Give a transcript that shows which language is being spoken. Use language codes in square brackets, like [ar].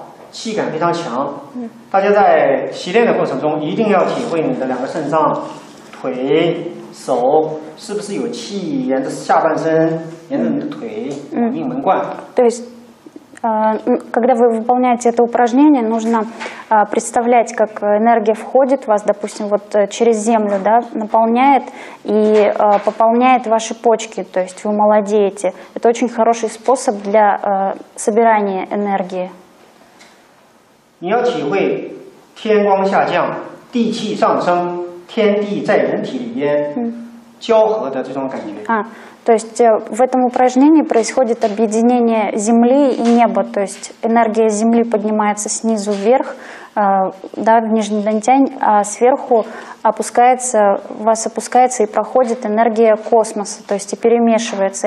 [zh] 气感非常强 大家在洗练的过程中一定要体会你的两个肾脏腿手是不是有气沿着下半身沿着你的腿往命门灌 [ru] То есть, когда вы выполняете это упражнение, нужно представлять, как энергия входит в вас, допустим, вот через землю, да, наполняет и пополняет ваши почки, то есть вы молодеете. Это очень хороший способ для собирания энергии. [zh] 你要体会天光下降，地气上升，天地在人体里边交合的这种感觉。 [ru] То есть в этом упражнении происходит объединение земли и неба, то есть энергия земли поднимается снизу вверх, да, в нижний дантянь, а сверху опускается, вас опускается и проходит энергия космоса, то есть и перемешивается.